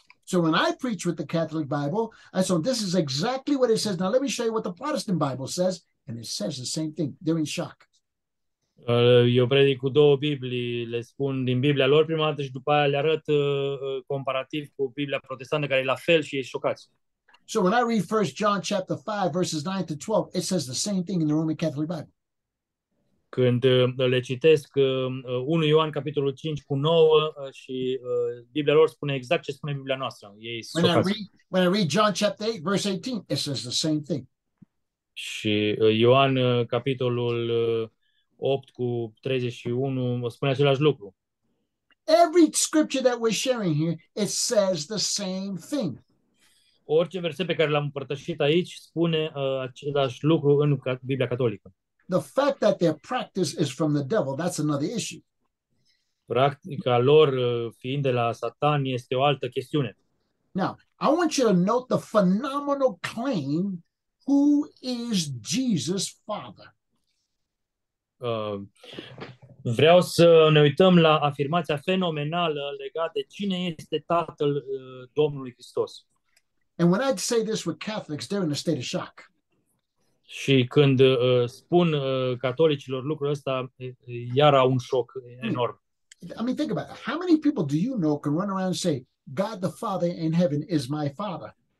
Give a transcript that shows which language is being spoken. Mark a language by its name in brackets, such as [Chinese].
[English] So when I preach with the Catholic Bible, I say this is exactly what it says. Now let me show you what the Protestant Bible says, and it says the same thing. They're in shock. [Romanian] Eu predic cu două Biblii, le spun din Biblia lor prima dată și după aia le arăt comparativ cu Biblia protestantă care e la fel și e șocat. [English] So when I read 1 John chapter 5 verses 9 to 12, it says the same thing in the Roman Catholic Bible. [Romanian] Când le citesc 1 Ioan capitolul 5 cu 9 și Biblia lor spune exact ce spune Biblia noastră. Ei sunt [English] when, when I read John chapter 8 verse 18, it says the same thing. [Romanian] Și Ioan capitolul 8 cu 31 spune același lucru. [English] Every scripture that we're sharing here, it says the same thing. [Romanian] Orice verset pe care l-am împărtășit aici spune același lucru în Biblia catolică. [English] The fact that their practice is from the devil, that's another issue. [Romanian] Practica lor fiind de la Satan este o altă chestiune. [English] Now, I want you to note the phenomenal claim, who is Jesus' father? [Romanian] Vreau să ne uităm la afirmația fenomenală legată de cine este tatăl Domnului Hristos. [English] And when I say this with Catholics, they're in a state of shock. [Romanian] Și când spun catolicilor lucrul ăsta, iar au un șoc enorm. [English] I mean, think about it. How many people do you know can run around and say, God the Father in heaven is my father?